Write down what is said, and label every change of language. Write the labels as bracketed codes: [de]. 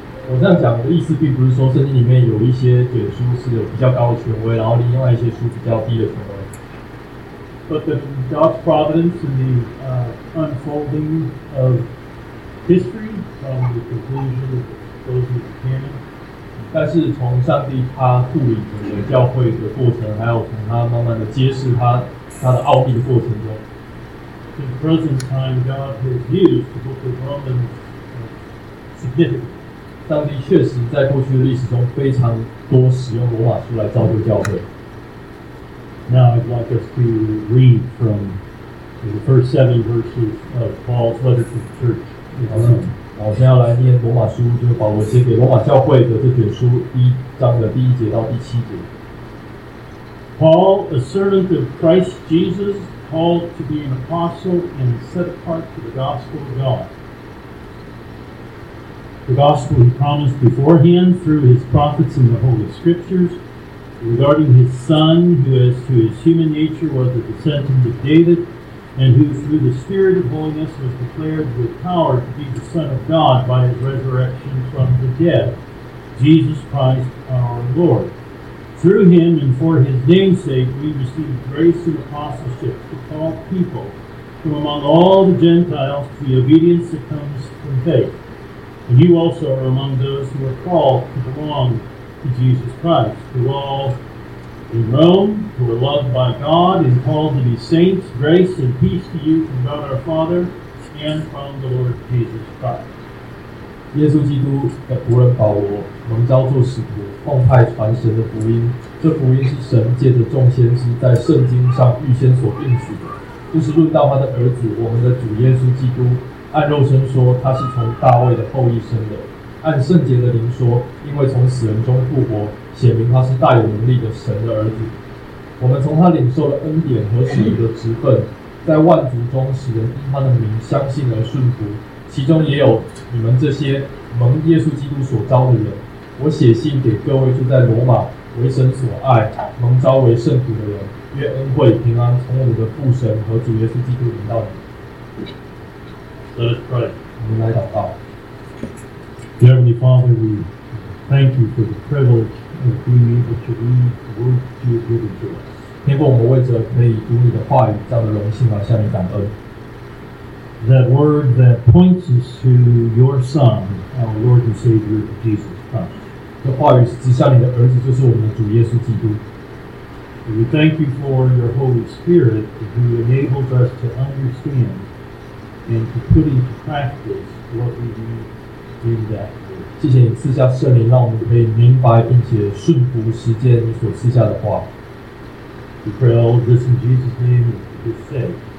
[zh] 我这样讲的意思并不是说圣经里面有一些卷书是有比较高的权威，然后另外一些书比较低的权威。 [en] But the God's providence and the unfolding of history from the conclusion of those who came. [zh] 但是从上帝他处理整个教会的过程，还有从他慢慢的揭示他的奥秘的过程中。 [en] In present time, God has used the book of Romans significantly. [zh] 上帝确实在过去的历史中非常多使用罗马书来造就教会。 [en] Now I'd like us to read from the first seven verses of Paul's letter to the church. [zh] 好的，我先要来念罗马书，就是保罗写给罗马教会的这卷书一章的第一节到第七节。 [en] Paul, a servant of Christ Jesus, called to be an apostle and set apart to the gospel of God. The gospel he promised beforehand through his prophets in the Holy Scriptures, regarding his son, who as to his human nature was a descendant of David, and who through the Spirit of holiness was declared with power to be the Son of God by his resurrection from the dead, Jesus Christ our Lord. Through him and for his name's sake, we receive grace and apostleship to call people from among all the Gentiles to the obedience that comes from faith. And you also are among those who are called to belong to Jesus Christ, who all in Rome, who are loved by God and called to be saints, grace and peace to you from God our Father and from the Lord Jesus Christ. [zh] 耶稣基督的仆人保罗，蒙召做使徒，奉派传神的福音。这福音是神借着众先知在圣经上预先所应许的，就是论到他的儿子，我们的主耶稣基督。按肉身说，他是从大卫的后裔生的；按圣洁的灵说，因为从死人中复活，显明他是大有能力的神的儿子。我们从他领受了恩典和属灵的职分，在万族中使人因他的名相信而顺服，其中也有你们这些蒙耶稣基督所召的人。我写信给各位住在罗马、为神所爱、蒙召为圣徒的人，愿恩惠平安从我们的父神和主耶稣基督临到你。 [en] Let us pray. [zh] 我们来祷告。 [en] Heavenly Father, we thank you for the privilege of being able to read the words you have given to us. [zh] 天父，我们为着可以读你的话语这样的荣幸而向你感恩。 [en] That word that points us to your Son, our Lord and Savior, Jesus Christ. [zh] 这话语指向你的儿子，就是我们的主耶稣基督。 [en] We thank you for your Holy Spirit who enables us to understand. And to put into practice what we need in that word. [zh] 谢谢你赐下圣灵，让我们可以明白并且顺服实践你所赐下的话。 [en] We pray all this in Jesus' name and with faith.